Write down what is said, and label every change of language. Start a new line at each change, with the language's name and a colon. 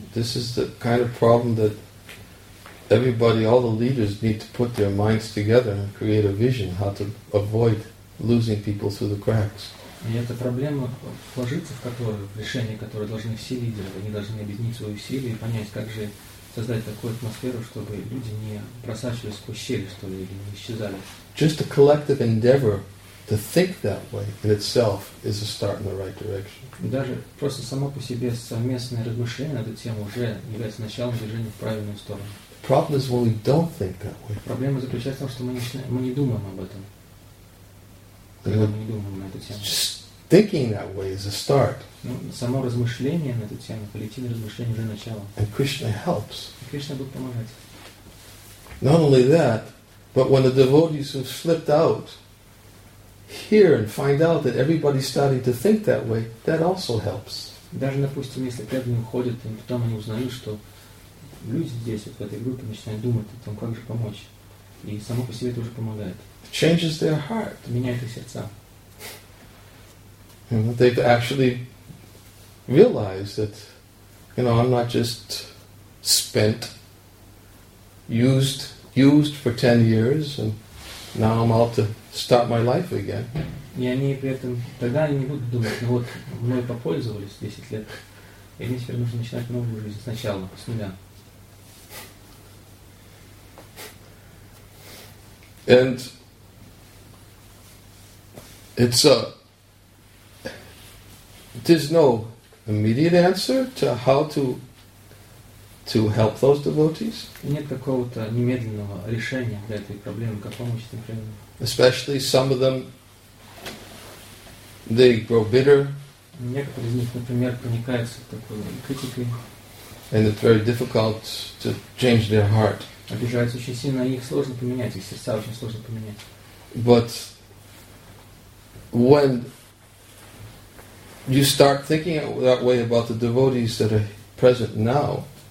English: This is the kind of problem that everybody, all the leaders, need to put their minds together and create a vision how to avoid losing people through the cracks.
Russian: И эта проблема вложиться в которую в решение, которое должны все лидеры, они должны объединить свои усилия и понять, как же создать такую атмосферу, чтобы люди не просачивались сквозь щели, что ли, или не исчезали.
English: Just a collective endeavor. To think that way in itself is a start in the right direction.
Russian: Даже просто само по себе совместное размышление на эту тему уже является началом движения в правильную сторону.
English: The problem is when we don't think that way.
Russian: Проблема заключается в том, что мы не думаем об этом. Когда мы не думаем на эту тему.
English: Just thinking that way is a start.
Russian: Ну, само размышление на эту тему, коллективное размышление уже начало.
English: And Krishna helps.
Russian: И Кришна будет помогать.
English: Not only that, but when the devotees have slipped out. hear and find out that everybody's starting to think that way, that also helps.
Russian: Даже, допустим, если преданные уходят, и потом они узнают, что люди здесь, вот в этой группе, начинают думать о том, как же помочь. И само по себе это уже помогает.
English: It changes their heart.
Russian: Меняет их сердца.
English: You know, they've actually realized that, you know, I'm not just spent, used for 10 years, and now I'm out to start my life again.
Russian: И они при этом, тогда они не будут думать, ну вот, мной попользовались 10 лет, и мне теперь нужно начинать новую жизнь сначала, с нуля.
English: And it's a there's no immediate answer to how to help those devotees.
Russian: Нет какого-то немедленного решения для этой проблемы, как помочь этим преданным.
English: Especially some of them, they grow bitter.
Russian: Некоторые из них, например, проникаются такой критикой.
English: And it's very difficult to change their heart.
Russian: Обижаются очень сильно, их сложно поменять, их сердца очень сложно поменять.
English: But when you start thinking that way about the devotees that are present now.